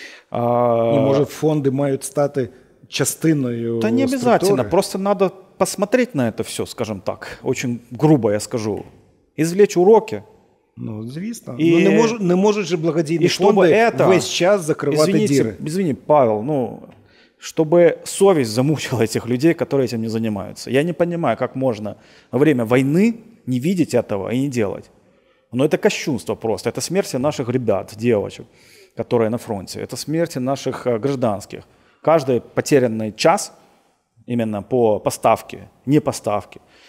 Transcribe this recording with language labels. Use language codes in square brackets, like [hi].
[uk] може фонди мають стати частиною структури? [ru] Та не обязательно, просто надо посмотреть на это все, скажем так. Очень грубо я скажу. Извлечь уроки. [uk] Ну, звісно. Не можуть же благодійні фонди весь час закривати діри. [ru] Извините, Павел, чтобы совесть замучила этих людей, которые этим не занимаются. Я не понимаю, как можно во время войны не видеть этого и не делать. Но это кощунство просто. Это смерть наших ребят, девочек, которые на фронте. Это смерть наших гражданских. Каждый потерянный час именно по поставке, не поставке.